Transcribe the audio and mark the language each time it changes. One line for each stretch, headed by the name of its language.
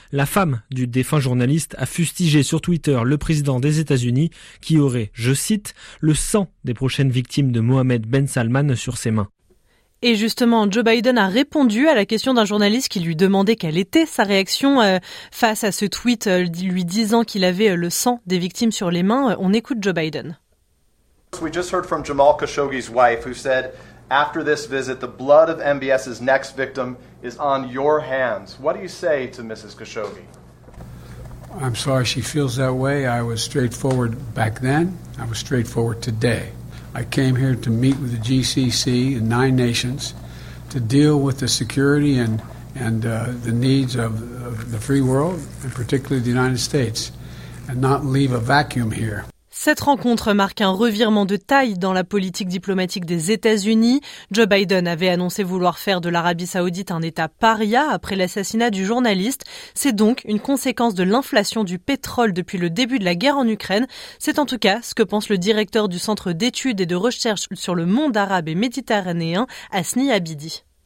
French: La femme du défunt journaliste a fustigé sur Twitter le président des États-Unis qui aurait, je cite, « le sang des prochaines victimes de Mohammed bin Salman sur ses mains ». Et justement, Joe Biden a répondu à la question d'un journaliste qui lui demandait quelle était sa réaction face à ce tweet lui disant qu'il avait le sang des victimes sur les mains. On écoute Joe Biden.
English: We just heard from Jamal Khashoggi's wife who said, after this visit, the blood of MBS's next victim is on your hands. What do you say to Mrs. Khashoggi? I'm sorry she feels that way. I was straightforward back then. I was straightforward today. I came here to meet with the GCC and nine nations to deal with the security and the needs of the free world, and particularly the United States, and not leave a vacuum here.
French: Cette rencontre marque un revirement de taille dans la politique diplomatique des États-Unis. Joe Biden avait annoncé vouloir faire de l'Arabie Saoudite un État paria après l'assassinat du journaliste. C'est donc une conséquence de l'inflation du pétrole depuis le début de la guerre en Ukraine. C'est en tout cas ce que pense le directeur du Centre d'études et de recherche sur le monde arabe et méditerranéen, Hasni Abidi.